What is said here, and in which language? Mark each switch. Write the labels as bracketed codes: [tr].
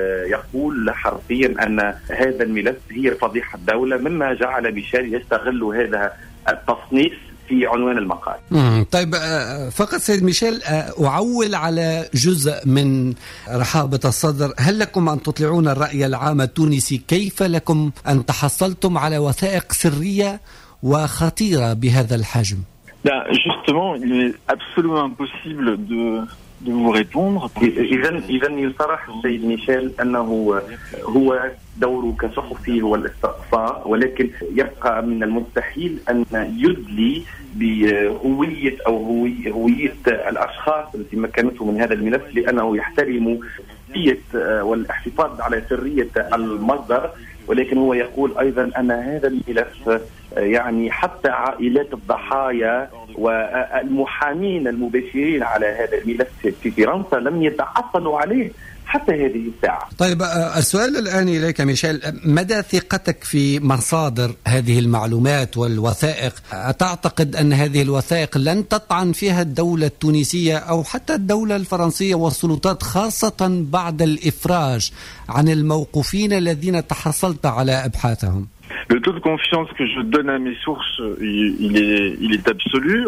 [ar] يقول حرفيا أن هذا الملف هي فضيحة الدولة، مما جعل ميشيل يستغل هذا التصنيف في عنوان المقال. طيب فقط سيد ميشيل، أعول على جزء من رحابة الصدر، هل لكم أن تطلعون الرأي العام التونسي؟ كيف لكم أن تحصلتم على وثائق سرية وخطيرة بهذا الحجم؟ لا [fr] justement il est absolument impossible de vous répondre. [ar] إذا يصرح السيد ميشيل أنه هو دوره كصحفي هو الاستقصاء، ولكن يبقى من المستحيل أن يدلي بهوية أو هوية الأشخاص التي مكنته من هذا الملف، لأنه يحترم سرية والاحتفاظ على سرية المصدر، ولكن هو يقول أيضا أن هذا الملف يعني حتى عائلات الضحايا والمحامين المباشرين على هذا الملف في فرنسا لم يتحصلوا عليه حتى هذه الساعة. طيب السؤال الآن إليك ميشيل، مدى ثقتك في مصادر هذه المعلومات والوثائق؟ أتعتقد أن هذه الوثائق لن تطعن فيها الدولة التونسية أو حتى الدولة الفرنسية والسلطات، خاصة بعد الإفراج عن الموقوفين الذين تحصلت على أبحاثهم؟ [fr] Le taux de confiance que je donne à mes sources, il est absolu.